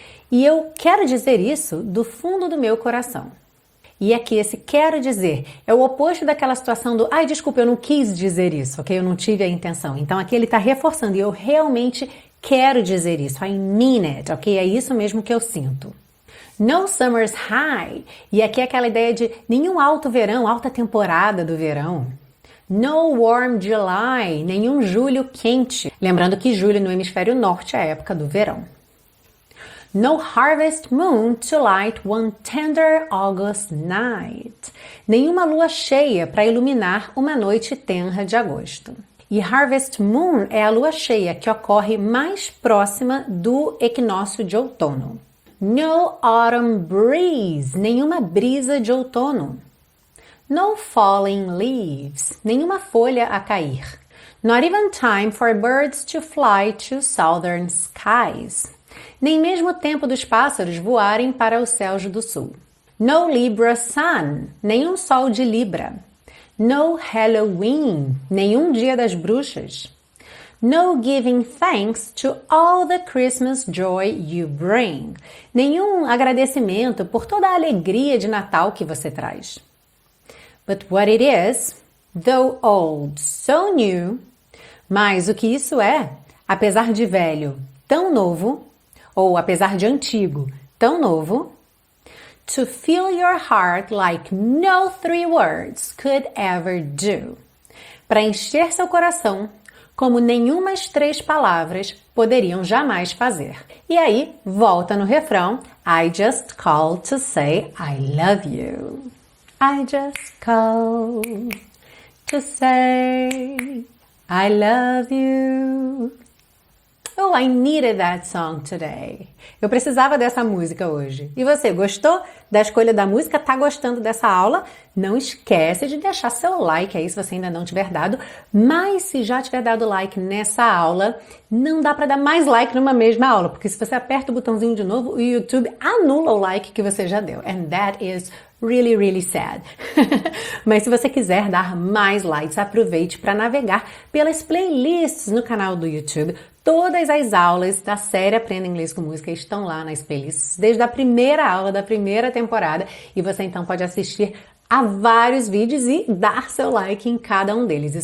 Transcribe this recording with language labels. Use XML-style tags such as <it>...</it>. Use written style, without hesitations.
<pt>E eu quero dizer isso do fundo do meu coração. E aqui esse quero dizer é o oposto daquela situação do ai, desculpa, eu não quis dizer isso, ok? Eu não tive a intenção. Então aqui ele está reforçando e eu realmente quero dizer isso.</pt> <en>I mean it, ok?</en> <pt>É isso mesmo que eu sinto.</pt> <en>No summer's high.</en> <pt>E aqui é aquela ideia de nenhum alto verão, alta temporada do verão.</pt> <en>No warm July,</en> <pt>nenhum julho quente. Lembrando que julho no hemisfério norte é a época do verão.</pt> <en>No harvest moon to light one tender August night.</en> <pt>Nenhuma lua cheia para iluminar uma noite tenra de agosto. E harvest moon é a lua cheia que ocorre mais próxima do equinócio de outono.</pt> <en>No autumn breeze,</en> <pt>nenhuma brisa de outono.</pt> <en>No falling leaves,</en> <pt>nenhuma folha a cair.</pt> <en>Not even time for birds to fly to southern skies.</en> <pt>Nem mesmo tempo dos pássaros voarem para os céus do sul.</pt> <en>No Libra sun,</en> <pt>nenhum sol de Libra.</pt> <en>No Halloween,</en> <pt>nenhum dia das bruxas.</pt> <en>No giving thanks to all the Christmas joy you bring.</en> <pt>Nenhum agradecimento por toda a alegria de Natal que você traz.</pt> <en>But what it is, though old, so new.</en> <pt>Mas o que isso é, apesar de velho, tão novo, ou apesar de antigo, tão novo.</pt> <en>To fill your heart like no three words could ever do.</en> <pt>Para encher seu coração como nenhumas três palavras poderiam jamais fazer. E aí, volta no refrão.</pt> <en>I just call to say I love you. I just call to say I love you. Oh, I needed that song today.</en> <pt>Eu precisava dessa música hoje. E você, gostou da escolha da música? Tá gostando dessa aula? Não esquece de deixar seu like aí se você ainda não tiver dado. Mas se já tiver dado like nessa aula, não dá para dar mais like numa mesma aula. Porque se você aperta o botãozinho de novo, o YouTube anula o like que você já deu.</pt> <en>And that is really, really sad.</en> <pt>Mas se você quiser dar mais likes, aproveite para navegar pelas playlists no canal do YouTube. Todas as aulas da série Aprenda Inglês com Música estão lá nas playlists, desde a primeira aula da primeira temporada, e você então pode assistir a vários vídeos e dar seu like em cada um deles.</pt>